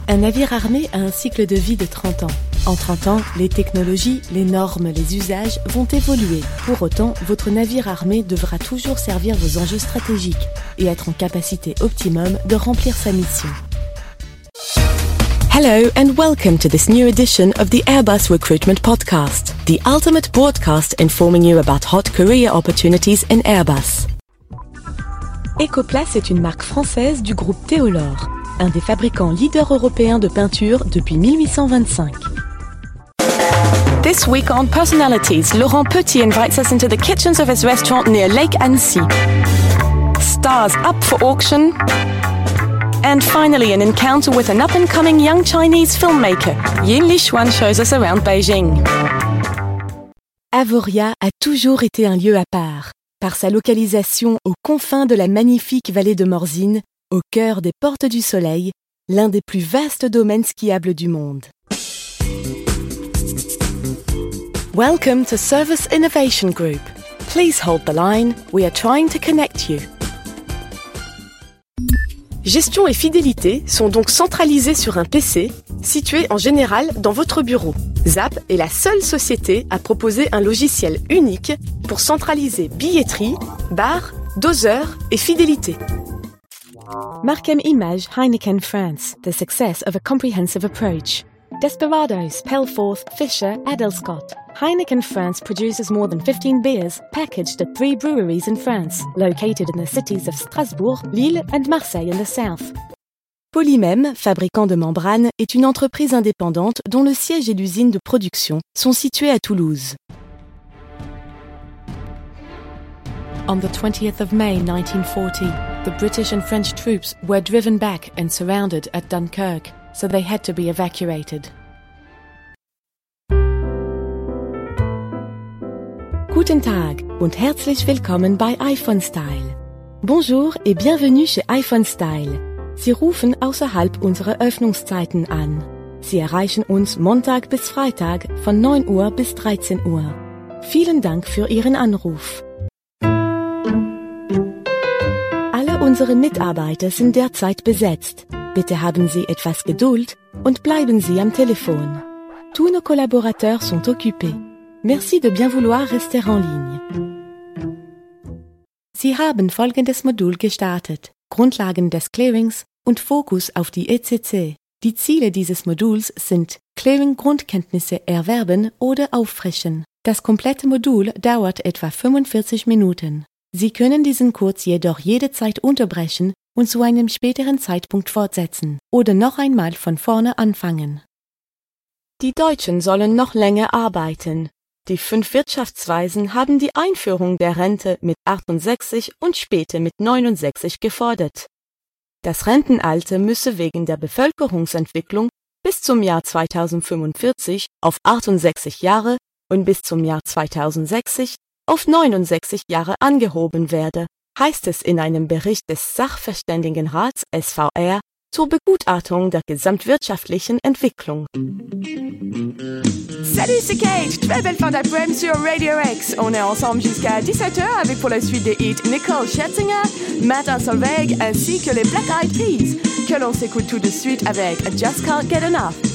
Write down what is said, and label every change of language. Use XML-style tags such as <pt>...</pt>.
<fr>Un navire armé a un cycle de vie de 30 ans. En 30 ans, les technologies, les normes, les usages vont évoluer. Pour autant, votre navire armé devra toujours servir vos enjeux stratégiques et être en capacité optimum de remplir sa mission.</fr> <en>Hello and welcome to this new edition of the Airbus Recruitment Podcast, the ultimate broadcast informing you about hot career opportunities in Airbus.</en> <fr>Ecoplast est une marque française du groupe Theolor, un des fabricants leaders européens de peinture depuis 1825.</fr> <en>This week on Personalities, Laurent Petit invites us into the kitchens of his restaurant near Lake Annecy. Stars up for auction. And finally, an encounter with an up-and-coming young Chinese filmmaker. Yin Li Xuan shows us around Beijing.</en> <fr>Avoria a toujours été un lieu à part. Par sa localisation aux confins de la magnifique vallée de Morzine, au cœur des Portes du Soleil, l'un des plus vastes domaines skiables du monde.</fr> <en>Welcome to Service Innovation Group. Please hold the line, we are trying to connect you.</en> <fr>Gestion et fidélité sont donc centralisées sur un PC, situé en général dans votre bureau. Zap est la seule société à proposer un logiciel unique pour centraliser billetterie, bar, doseur et fidélité.</fr> <en>Markham Image, Heineken France, the success of a comprehensive approach. Desperados, Pelforth, Fisher, Adelscott. Heineken France produces more than 15 beers packaged at 3 breweries in France, located in the cities of Strasbourg, Lille and Marseille in the south.</en> <fr>Polymem, fabricant de membranes, est une entreprise indépendante dont le siège et l'usine de production sont situés à Toulouse.</fr> <en>On the 20th of May 1940, the British and French troops were driven back and surrounded at Dunkirk, so they had to be evacuated.</en> <de>Guten Tag und herzlich willkommen bei iPhone Style.</de> <fr>Bonjour et bienvenue chez iPhone Style.</fr> <de>Sie rufen außerhalb unserer Öffnungszeiten an. Sie erreichen uns Montag bis Freitag von 9 Uhr bis 13 Uhr. Vielen Dank für Ihren Anruf. Alle unsere Mitarbeiter sind derzeit besetzt. Bitte haben Sie etwas Geduld und bleiben Sie am Telefon.</de> <fr>Tous nos collaborateurs sont occupés. Merci de bien vouloir rester en ligne.</fr> <de>Sie haben folgendes Modul gestartet. Grundlagen des Clearings und Fokus auf die ECC. Die Ziele dieses Moduls sind Clearing-Grundkenntnisse erwerben oder auffrischen. Das komplette Modul dauert etwa 45 Minuten. Sie können diesen Kurs jedoch jederzeit unterbrechen und zu einem späteren Zeitpunkt fortsetzen oder noch einmal von vorne anfangen. Die Deutschen sollen noch länger arbeiten. Die fünf Wirtschaftsweisen haben die Einführung der Rente mit 68 und später mit 69 gefordert. Das Rentenalter müsse wegen der Bevölkerungsentwicklung bis zum Jahr 2045 auf 68 Jahre und bis zum Jahr 2060 auf 69 Jahre angehoben werden, heißt es in einem Bericht des Sachverständigenrats SVR zur Begutachtung der gesamtwirtschaftlichen Entwicklung.</de> <fr>Salut, c'est Kate. Très belle fin d'après-midi sur Radio X. On est ensemble jusqu'à 17h avec pour la suite des hits Nicole Scherzinger, Martin Solveig ainsi que les Black Eyed Peas, que l'on s'écoute tout de suite avec I Just Can't Get Enough.</fr>